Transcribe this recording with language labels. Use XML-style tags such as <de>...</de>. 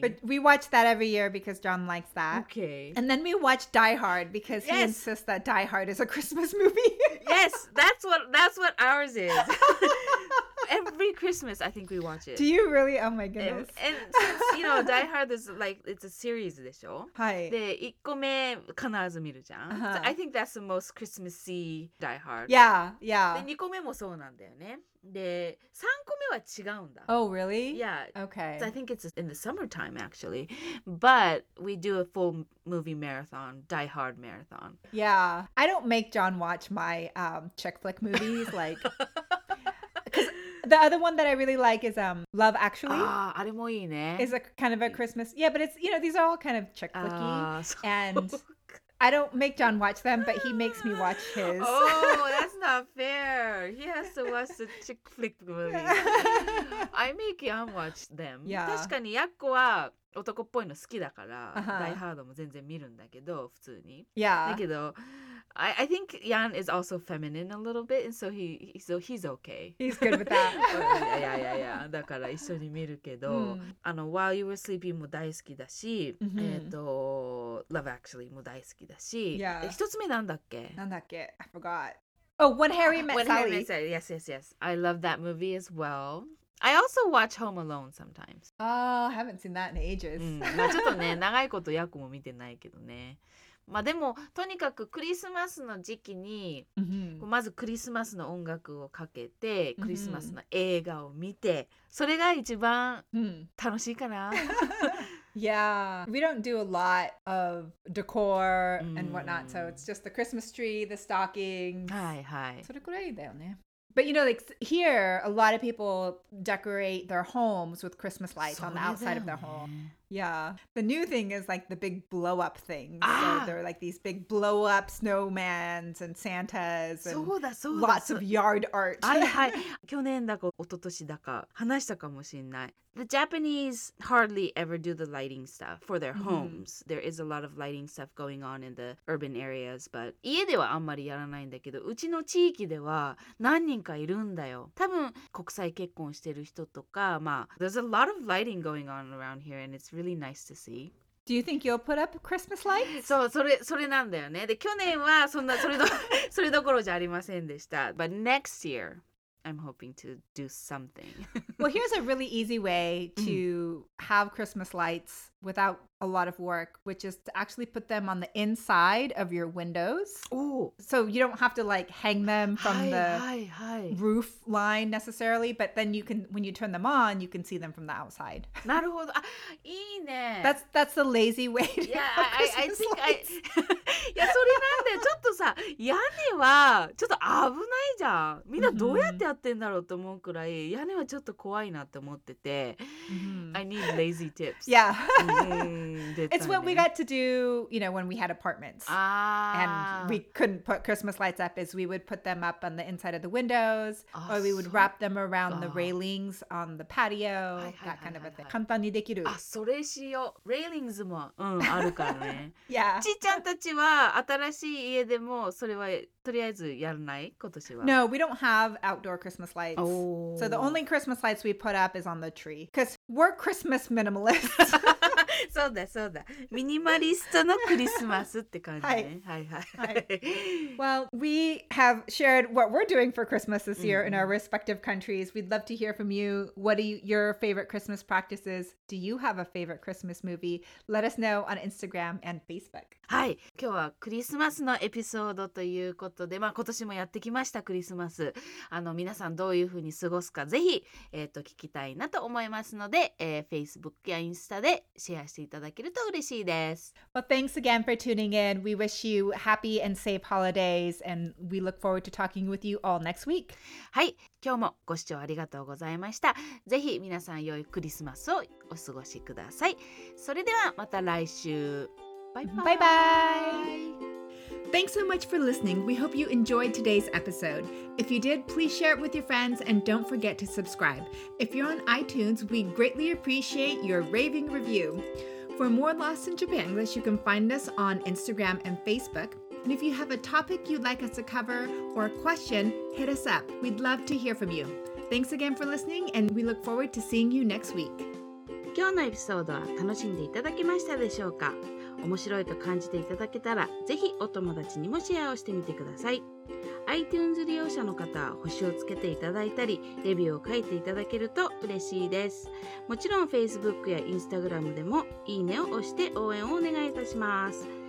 <en>But we watch that every year because John likes that. Okay. And then we watch Die Hard because he insists that Die Hard is a Christmas movie. Yes, that's what ours is. Every Christmas, I think we watch it. Do you really? Oh my goodness. And since, you know, Die Hard is like, it's a series,</en> <ja>でしょ?</ja> <en>Hi.</en> <ja>で、1個目必ず見るじゃん。</ja> <en>So I think that's the most Christmassy Die Hard. Yeah, yeah.</en> <ja>で、2個目もそうなんだよね。で、3個目は違うんだ。</ja> <en>Oh, really? Yeah. Okay. So I think it's in the summertime, actually. But we do a full movie marathon, Die Hard marathon. Yeah. I don't make John watch my chick flick movies, like... The other one that I really like is Love Actually.</en> <ja>Ah, あれもいいね.</ja> <en>It's a kind of a Christmas. Yeah, but it's, you know, these are all kind of chick flicky. And I don't make John watch them, but he makes me watch his. Oh, that's not fair. He has to watch the chick flick movie. I make Yan watch them. Yeah.</en> <ja>確かにヤッコは男っぽいの好きだから、ダイハードも全然見るんだけど、普通に。</ja> <en>Yeah.</en> <ja>だけど、</ja> <en>I think Yan is also feminine a little bit, and so he's okay. He's good with that.</en> <ja>yeah. だから一緒に見るけど、While You Were Sleeping も大好きだし、mm-hmm. Love Actually も大好きだし、</ja> <en>yeah.</en> <ja>一つ目なんだっけ？なんだっけ？</ja> <en>I forgot. Oh, When Harry Met when Sally. Harry Met Sally. Yes. I love that movie as well. I also watch Home Alone sometimes. Oh, I haven't seen that in ages.</en> <ja>ちょっとね、長いことヤクも見てないけどね。まあでも、とにかくクリスマスの時期に、mm-hmm. まずクリスマスの音楽をかけて、クリスマスの映画を見て、それが一番楽しいかな。</ja> <en>Yeah, we don't do a lot of decor and whatnot, so it's just the Christmas tree, the stockings.</en> <ja>はいはい。それくらいだよね。</ja> <en>But, you know, like here, a lot of people decorate their homes with Christmas lights on the outside of their home. Yeah. The new thing is like the big blow up things. Ah! So they're like these big blow up snowmans and Santas and lots of yard art.</en> <ja>はい。去年だか一昨年だか話したかもしれない。</ja> <en>The Japanese hardly ever do the lighting stuff for their homes. Mm-hmm. There is a lot of lighting stuff going on in the urban areas, but</en> <ja>家ではあんまりやらないんだけど、うちの地域では何人かいるんだよ。多分国際結婚してる人とか、まあ、</ja> <en>there's a lot of lighting going on around here and it's really nice to see. Do you think you'll put up Christmas lights?</en> <ja>そう、それなんだよね。で、去年はそんなそれどころじゃありませんでした。</ja> <en>But next year... I'm hoping to do something. Well, here's a really easy way to have Christmas lights without a lot of work, which is to actually put them on the inside of your windows. Ooh. So you don't have to like hang them from roof line necessarily, but then you can, when you turn them on, you can see them from the outside.</en> <ja>なるほど。いいね。</ja> <en>That's the lazy way to have Christmas lights.</en> <ja>いやそれなんでちょっとさ屋根はちょっと危ないじゃんみんなどうやってやってんだろうと思うくらい、mm-hmm. 屋根はちょっと怖いなって思ってて、mm-hmm.</ja> <en>I need lazy tips.</en> <ja>Yeah. 出たね。</ja> <en>It's what we got to do, you know, when we had apartments. Ah. And we couldn't put Christmas lights up is we would put them up on the inside of the windows or we would wrap them around the railings on the patio. That kind of a thing.</en> <ja>簡単にできる。あ、それしよう。Railings もあるからね。</ja> <en>Yeah.</en> <ja>ちっちゃんたちは新しい家でもそれはとりあえずやらない今年は</ja> <en>No, we don't have outdoor Christmas lights、 oh. So the only Christmas lights we put up is on the tree Because we're Christmas minimalists</en> <ja>そうだそうだミニマリストのクリスマスって感じね、はい、はい</ja> <en>Well, we have shared what we're doing for Christmas this year、mm-hmm. in our respective countries We'd love to hear from you What are your favorite Christmas practices? Do you have a favorite Christmas movie? Let us know on Instagram and Facebook</en> <ja>はい今日はクリスマスのエピソードということで、まあ、今年もやってきましたクリスマス皆さんどういうふうに過ごすかぜひ、聞きたいなと思いますので、Facebook やインスタでシェアしていただけると嬉しいです</ja> <en>Well, thanks again for tuning in We wish you happy and safe holidays And we look forward to talking with you all next week</en> <ja>はい今日もご視聴ありがとうございましたぜひ皆さん良いクリスマスをお過ごしくださいそれではまた来週</ja> <en>Bye-bye. Bye-bye. Thanks so much for listening. We hope you enjoyed today's episode. If you did, please share it with your friends and don't forget to subscribe. If you're on iTunes, we greatly appreciate your raving review. For more Lost in Japanglish, you can find us on Instagram and Facebook. And if you have a topic you'd like us to cover or a question, hit us up. We'd love to hear from you. Thanks again for listening, and we look forward to seeing you next week.</en> <ja>今日のエピソードは楽しんでいただけましたでしょうか。面白いと感じていただけたら、ぜひお友達にもシェアをしてみてください。 iTunes 利用者の方は星をつけていただいたり、レビューを書いていただけると嬉しいです。もちろん Facebook や Instagram でもいいねを押して応援をお願いいたします。</ja>